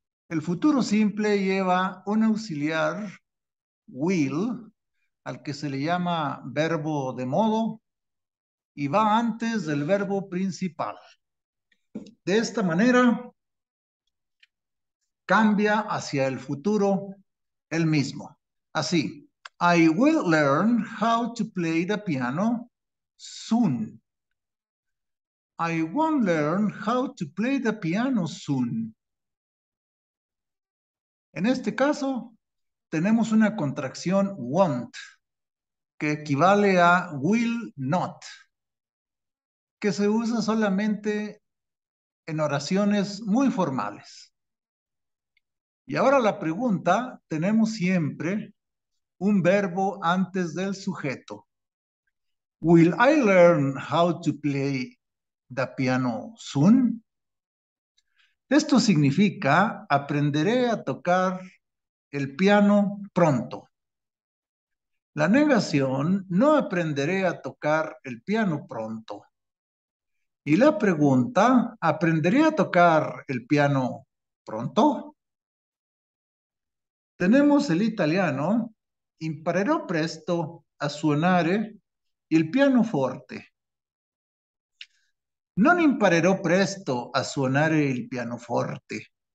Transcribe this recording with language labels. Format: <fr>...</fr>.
<es>El futuro simple lleva un auxiliar, will, al que se le llama verbo de modo, y va antes del verbo principal. De esta manera, cambia hacia el futuro el mismo.</es> <en>Así, I will learn how to play the piano soon. I won't learn how to play the piano soon.</en> <es>En este caso, tenemos una contracción won't, que equivale a will not, que se usa solamente en oraciones muy formales. Y ahora la pregunta, tenemos siempre un verbo antes del sujeto.</es> <en>Will I learn how to play the piano soon?</en> <es>Esto significa, aprenderé a tocar el piano pronto. La negación, no aprenderé a tocar el piano pronto. Y la pregunta, ¿aprenderé a tocar el piano pronto?</es> <it>Tenemos el italiano, imparerò presto a suonare il piano forte. Non imparerò presto a suonare il piano forte.</it>